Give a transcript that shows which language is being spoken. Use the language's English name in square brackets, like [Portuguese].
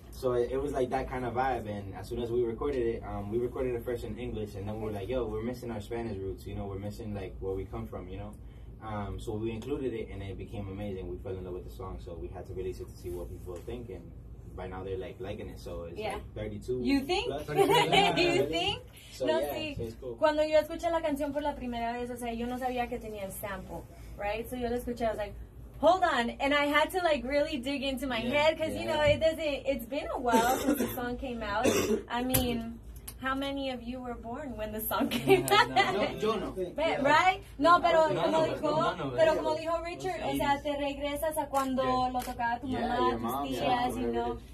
[English] So it was like that kind of vibe. And as soon as we recorded it, we recorded it first in English, and then we were like, "Yo, we're missing our Spanish roots. You know, we're missing like where we come from. You know." So we included it, and it became amazing. We fell in love with the song, so we had to release it to see what people were thinking. By now they're like liking it, so it's yeah. like 32. You think? You think? So, no, yeah, [Spanish] sí. [English] So it's cool. [Spanish] Cuando yo escuché la canción por la primera vez, o sea, yo no sabía que tenía el sample, [English] right? So [Spanish] yo la escuché, [English] I was like, hold on, and I had to like really dig into my head because you know it's been a while since the song came out. I mean, how many of you were born when the song came out? [Spanish] Yo no. [English] Right? [Spanish] No, pero como dijo Richard, o sea, te regresas a cuando lo tocaba tu mamá, tus tías, [English] you know.